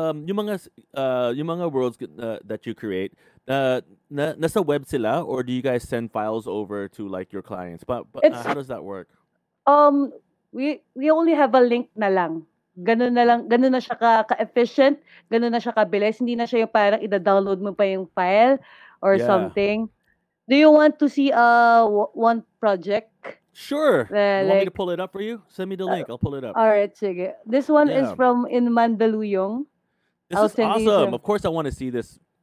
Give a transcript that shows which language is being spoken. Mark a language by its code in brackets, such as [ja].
[tl] Yung mga [en] worlds that you create, [tl] nasa web sila, [en] or do you guys send files over to like your clients? But how does that work? We only have a link [tl] na lang. Ganun na siya ka-efficient, ganun na siya kabilis. Hindi na siya yung parang i-download mo pa yung file or something. [en] Do you want to see one project? Sure. You want me to pull it up for you? Send me the link. I'll pull it up. All right, [tl] sige. [en] This one is from in Mandaluyong. This is awesome. Of course I want to see this.